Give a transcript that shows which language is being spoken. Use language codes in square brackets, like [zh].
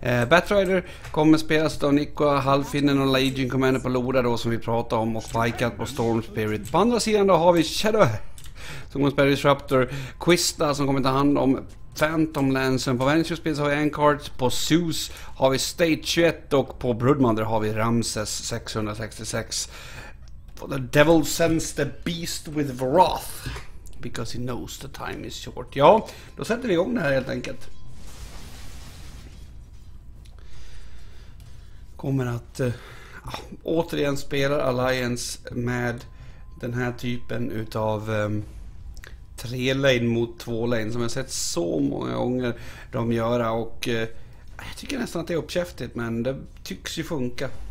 [sv] Batrider kommer spelas av Nikko, Halfinnen och Legion Commander på Lora då, som vi pratade om, och Vikat på Storm Spirit. På andra sidan då har vi Shadow som kommer spela Disruptor, Quista som kommer ta hand om Phantom Lancer. På Venture Spins har vi Encart, på Zeus har vi State 21 och på Broodmother har vi Ramses 666. [en] The Devil sends the beast with wrath because he knows the time is short. [sv] Ja, då sätter vi igång det här helt enkelt. Kommer att återigen spela Alliance med den här typen utav tre lane mot två lane som jag sett så många gånger de göra, och jag tycker nästan att det är uppkäftigt, men det tycks ju funka.